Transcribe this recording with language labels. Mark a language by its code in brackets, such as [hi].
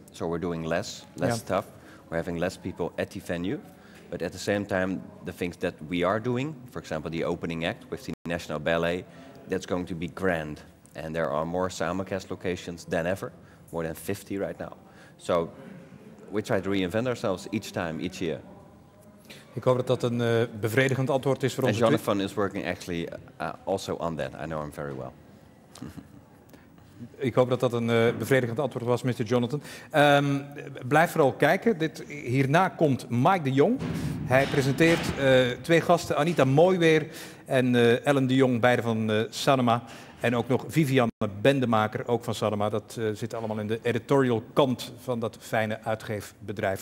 [en] So we're doing less stuff. We're having less people at the venue. But at the same time, the things that we are doing, for example, the opening act with the National Ballet, that's going to be grand. And there are more simulcast locations than ever, more than 50 right now. So we try to reinvent ourselves each time, each year. [nl] Ik hoop dat een bevredigend antwoord is voor ons. [en] And Jonathan is working actually also on that. I know him very well. [nl] Ik hoop dat een bevredigend antwoord was, Mr. Jonathan. Blijf vooral kijken. Hierna komt Mike de Jong. Hij presenteert twee gasten, Anita Mooiweer en Ellen de Jong, beide van Sanoma. En ook nog Vivianne Bendemaker, ook van Sanoma. Dat zit allemaal in de editorial kant van dat fijne uitgeefbedrijf.